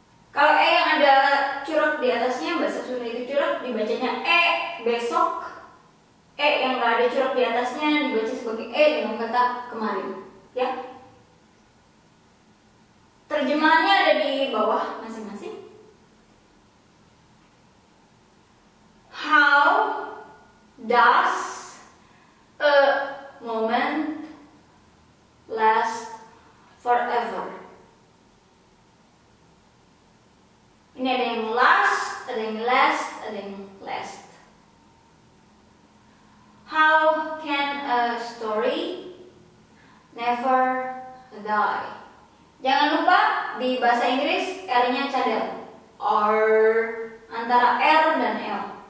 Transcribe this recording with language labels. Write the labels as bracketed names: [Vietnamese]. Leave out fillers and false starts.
[Indonesian] Kalau E yang ada curug di atasnya, bahasa Sunda itu curug, dibacanya E besok. E yang gak ada curug di atasnya dibaca sebagai E dengan kata kemarin ya. Terjemahannya ada di bawah masing-masing. [English] How does a moment last forever? [Indonesian] Ini ada yang last, ada yang last, ada yang last. [English] How can a story never die? [Indonesian] Jangan lupa di bahasa Inggris R-nya cadel, R antara R dan L.